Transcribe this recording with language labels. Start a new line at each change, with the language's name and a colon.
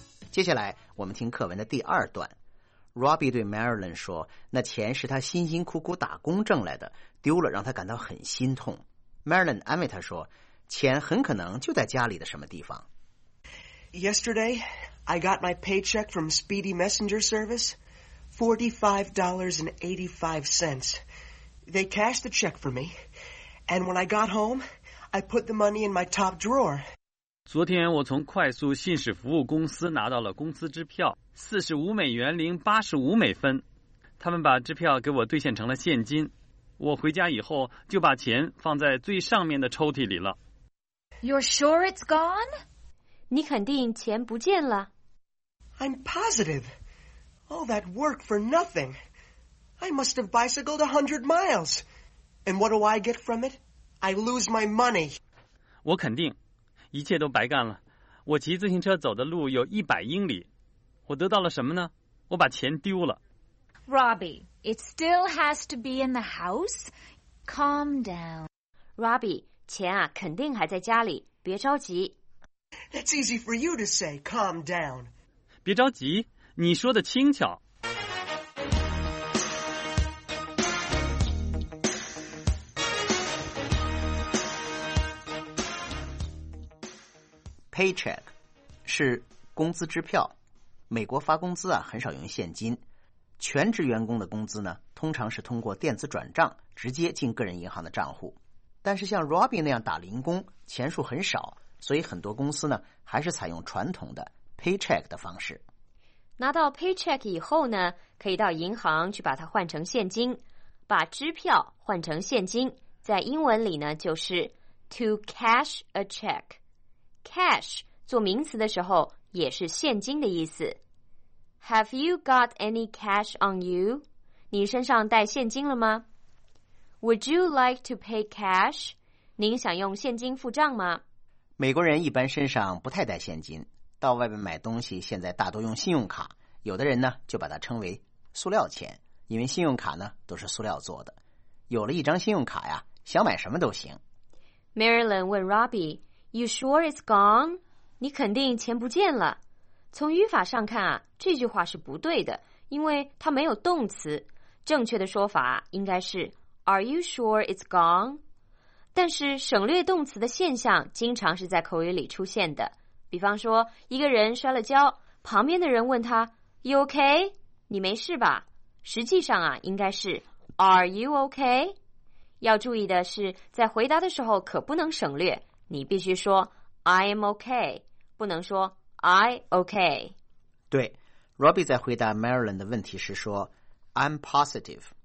Chinese: 接下来我们听课文的第二段， Robbie 对 Marilyn 说，那钱是他辛辛苦苦打工挣来的，丢了让他感到很心痛。 Marilyn 安慰他说，钱很可能就在家里的什么地方。
English: Yesterday, I got my paycheck from Speedy Messenger Service, $45.85. They cashed the check for me, and when I got home, I put the money in my top drawer.
Chinese: 昨天我从快速信使服务公司拿到了工资支票，$45.85。他们把支票给我兑现成了现金。我回家以后就把钱放在最上面的抽屉里了。
English: You're sure it's gone?
Chinese: 你肯定钱不见了。
English: I'm positive. All that work for nothing. I must have bicycled 100 miles. And what do I get from it? I lose my money.
Chinese: 我肯定，一切都白干了。我骑自行车走的路有100英里，我得到了什么呢？我把钱丢了。
English: Robbie, it still has to be in the house. Calm down.
Chinese: Robbie, 钱啊，肯定还在家里，别着急。
English: That's easy for you to say, calm down.
Chinese: 别着急，你说的轻巧。 Paycheck 是工资支票，美国发工资啊很少用现金。全职员工的工资呢，通常是通过电子转账直接进个人银行的账户。但是像 Robbie 那样打零工，钱数很少，所以很多公司呢还是采用传统的 paycheck 的方式。拿到 paycheck 以后呢，可以到银行去把它换成现金，把支票换成现金，在英文里呢就是
English: to cash a check。
Chinese: Cash 做名词的时候也是现金的意思。
English: Have you got any cash on you?
Chinese: 你身上带现金了吗？
English: Would you like to pay cash?
Chinese: 您想用现金付账吗？美国人一般身上不太带现金，到外面买东西现在大多用信用卡，有的人呢就把它称为塑料钱，因为信用卡呢都是塑料做的。有了一张信用卡呀，想买什么都行。
English: Marilyn 问 Robbie,You sure it's gone?
Chinese: 你肯定钱不见了。从语法上看啊，这句话是不对的，因为它没有动词。正确的说法应该是
English: Are you sure it's gone?
Chinese: 但是省略动词的现象经常是在口语里出现的。比方说，一个人摔了跤，旁边的人问他
English: You okay?
Chinese: 你没事吧？实际上啊，应该是
English: Are you okay?
Chinese: 要注意的是，在回答的时候可不能省略。你必须说
English: I am okay,
Chinese: 不能说
English: I okay.
Chinese: 对， Robbie 在回答 Marilyn 的问题是说
English: I'm positive.